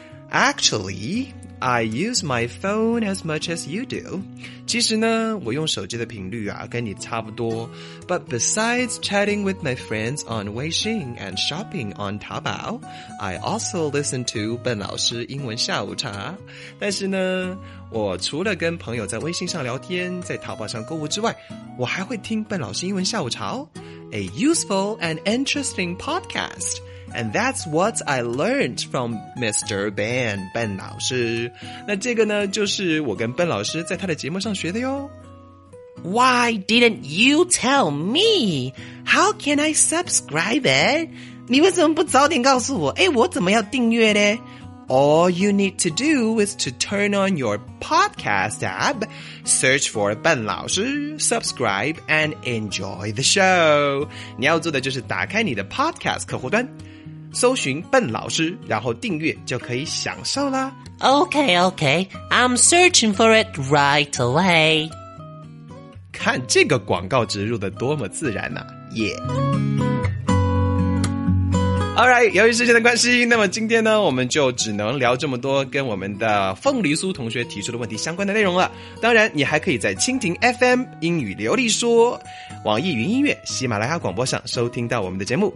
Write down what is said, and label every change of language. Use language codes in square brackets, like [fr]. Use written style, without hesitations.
[en] Actually, I use my phone as much as you do. [zh] 其实呢，我用手机的频率啊，跟你差不多。 [en] But besides chatting with my friends on Weixin and shopping on Taobao, I also listen to 笨老师英文下午茶。 [zh] 但是呢，我除了跟朋友在微信上聊天，在淘宝上购物之外，我还会听笨老师英文下午茶哦。 [en] A useful and interesting podcast. And that's what I learned from Mr. [zh] Ben, 笨老师。那这个呢，就是我跟笨老师在他的节目上学的哟。 [en] Why didn't you tell me? How can I subscribe it? [zh] 你为什么不早点告诉我？哎，我怎么要订阅呢？ [en] All you need to do is to turn on your podcast app, search for 笨老师, subscribe, and enjoy the show. [zh] 你要做的就是打开你的 podcast 客户端,搜寻笨老师,然后订阅就可以享受啦。 [en] Okay, okay, I'm searching for it right away. [zh] 看这个广告植入的多么自然啊。 [en] Yeah. [zh] Alright, 由于时间的关系，那么今天呢，我们就只能聊这么多跟我们的凤梨酥同学提出的问题相关的内容了。当然，你还可以在蜻蜓 FM 英语流利说、网易云音乐、喜马拉雅广播上收听到我们的节目。